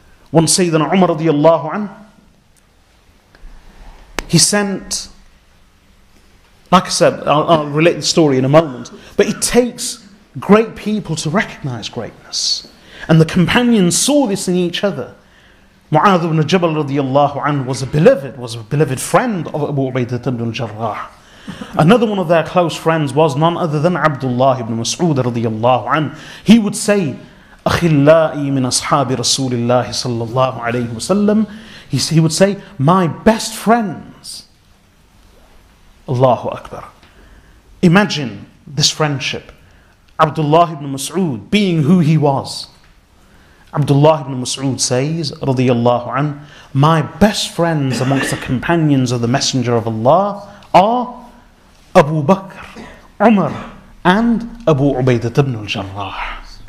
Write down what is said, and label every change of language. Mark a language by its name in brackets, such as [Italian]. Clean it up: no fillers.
[English] One Sayyidina Umar radiallahu anhu, he sent, like I said, I'll relate the story in a moment, but it takes great people to recognize greatness. And the companions saw this in each other. Mu'adh ibn Jabal radiallahu anhu was a beloved friend of Abu Ubaydah ibn al-Jarrah. Another one of their close friends was none other than Abdullah ibn Mas'ud radiallahu anhu. [Arabic] He would say, أَخِلَّائِي مِنْ أَصْحَابِ رَسُولِ اللَّهِ صَلَّى اللَّهُ عَلَيْهِ وَسَلَّمُ. [English] He would say, my best friends. Allahu Akbar. Imagine this friendship. Abdullah ibn Mas'ud being who he was. Abdullah ibn Mas'ud says, radiyallahu anhu, my best friends amongst the companions of the Messenger of Allah are Abu Bakr, Umar, and Abu Ubaydah ibn al-Jarrah.